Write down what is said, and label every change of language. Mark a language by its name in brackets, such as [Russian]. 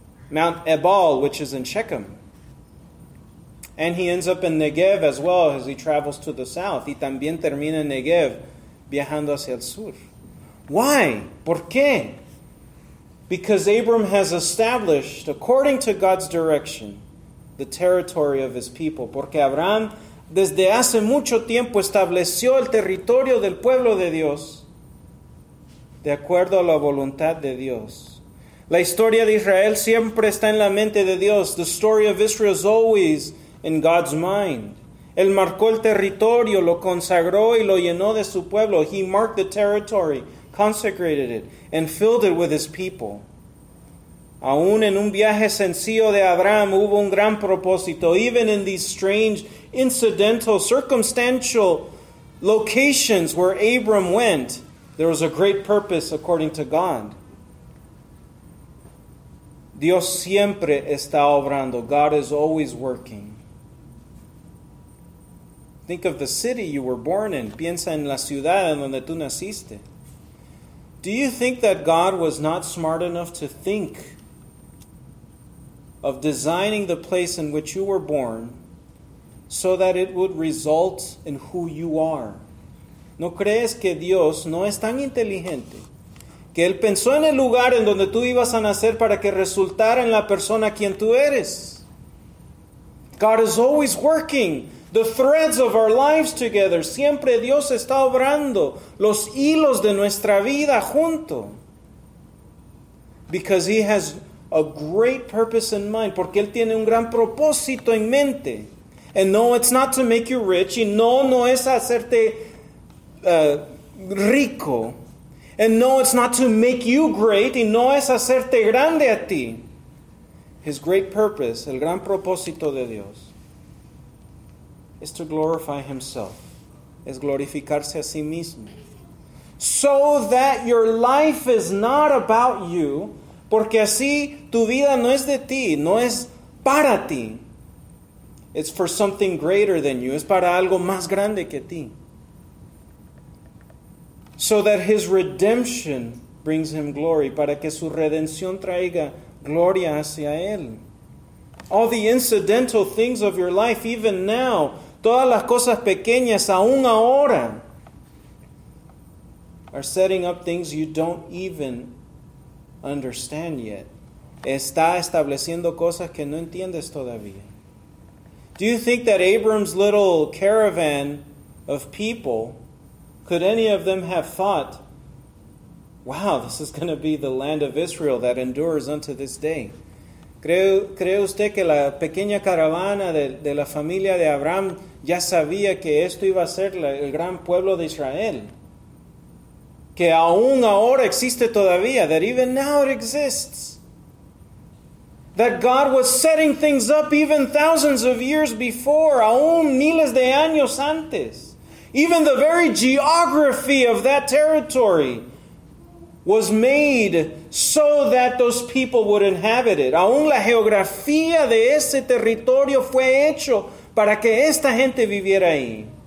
[English] Mount Ebal, which is in Shechem. And he ends up in Negev as well as he travels to the south. [Spanish] Y también termina en Negev, viajando hacia el sur. [English] Why? [Spanish] ¿Por qué? [English] Because Abram has established, according to God's direction, the territory of his people. [Spanish] Porque Abraham, desde hace mucho tiempo, estableció el territorio del pueblo de Dios de acuerdo a la voluntad de Dios. La historia de Israel siempre está en la mente de Dios. [English] The story of Israel is always in God's mind. [Spanish] Él marcó el territorio, lo consagró y lo llenó de su pueblo. [English] He marked the territory, consecrated it, and filled it with his people. [Spanish] Aún en un viaje sencillo de Abraham hubo un gran propósito. [English] Even in these strange, incidental, circumstantial locations where Abram went, there was a great purpose according to God. [Spanish] Dios siempre está obrando. [English] God is always working. Think of the city you were born in. [Spanish] Piensa en la ciudad en donde tú naciste. [English] Do you think that God was not smart enough to think of designing the place in which you were born so that it would result in who you are? [Spanish] ¿No crees que Dios no es tan inteligente que Él pensó en el lugar en donde tú ibas a nacer para que resultara en la persona quien tú eres? [English] God is always working the threads of our lives together. [Spanish] Siempre Dios está obrando los hilos de nuestra vida junto. [English] Because he has a great purpose in mind. [Spanish] Porque él tiene un gran propósito en mente. [English] And no, it's not to make you rich. [Spanish] Y no, no es hacerte rico. [English] And no, it's not to make you great. [Spanish] Y no es hacerte grande a ti. [English] His great purpose, [Spanish] el gran propósito de Dios, [English] is to glorify himself. [Spanish] Es glorificarse a sí mismo. [English] So that your life is not about you. [Spanish] Porque así tu vida no es de ti. No es para ti. [English] It's for something greater than you. [Spanish] Es para algo más grande que ti. [English] So that his redemption brings him glory. [Spanish] Para que su redención traiga gloria hacia él. [English] All the incidental things of your life, even now, [Spanish] todas las cosas pequeñas, aún ahora, [English] are setting up things you don't even understand yet. [Spanish] Está estableciendo cosas que no entiendes todavía. [English] Do you think that Abram's little caravan of people, could any of them have thought, wow, this is going to be the land of Israel that endures unto this day? [Spanish] ¿Cree usted que la pequeña caravana de la familia de Abraham ya sabía que esto iba a ser el gran pueblo de Israel? que aún ahora existe todavía, [English] that even now it exists. That God was setting things up even thousands of years before, [Spanish] aún miles de años antes. [English] Even the very geography of that territory was made so that those people would inhabit it. [Spanish] Aún la geografía de ese territorio fue hecho para que esta gente viviera ahí.